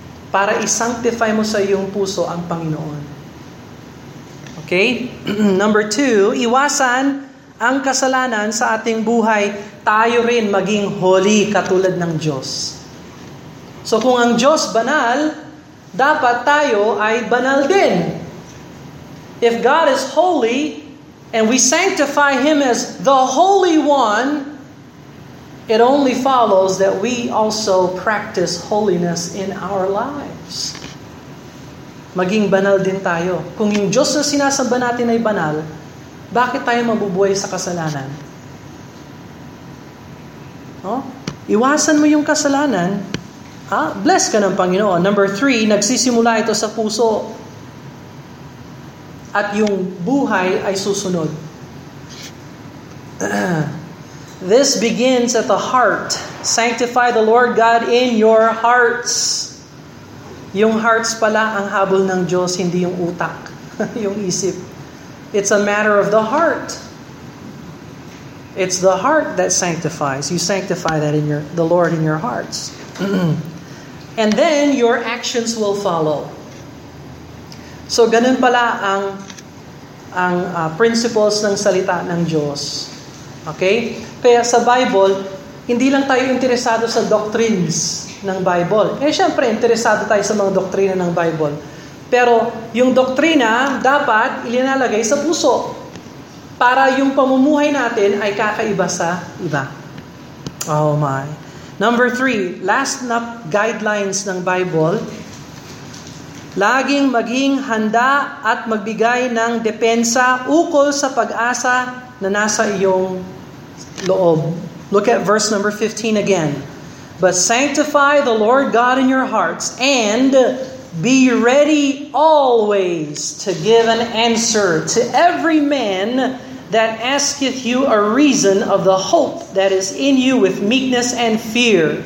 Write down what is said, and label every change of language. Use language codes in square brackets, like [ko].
[tl] Para isanctify mo sa iyong puso ang Panginoon. Okay? Number two, iwasan ang kasalanan sa ating buhay, tayo rin maging holy katulad ng Diyos. So kung ang Diyos banal, dapat tayo ay banal din. [en] If God is holy, and we sanctify Him as the Holy One, it only follows that we also practice holiness in our lives. [tl] Maging banal din tayo. Kung yung Diyos na sinasamba natin ay banal, bakit tayo mabubuhay sa kasalanan? No? Iwasan mo yung kasalanan, ha? Bless ka ng Panginoon. Number three, nagsisimula ito sa puso. At yung buhay ay susunod. [en] This begins at the heart. Sanctify the Lord God in your hearts. [tl] Yung hearts pala ang habol ng Diyos, hindi yung utak, yung isip. [en] It's a matter of the heart. It's the heart that sanctifies. You sanctify that in your the Lord in your hearts. And then your actions will follow. [tl] So ganun pala ang principles ng salita ng Diyos. Okay? Kaya sa Bible, hindi lang tayo interesado sa doctrines ng Bible. Eh syempre interesado tayo sa mga doktrina ng Bible. Pero yung doktrina dapat ilinalagay sa puso para yung pamumuhay natin ay kakaiba sa iba. [en] Oh my. [tl] Number three, last na guidelines ng Bible. Laging maging handa at magbigay ng depensa ukol sa pag-asa na nasa iyong loob. [en] Look at verse number 15 again. But sanctify the Lord God in your hearts and be ready always to give an answer to every man that asketh you a reason of the hope that is in you with meekness and fear.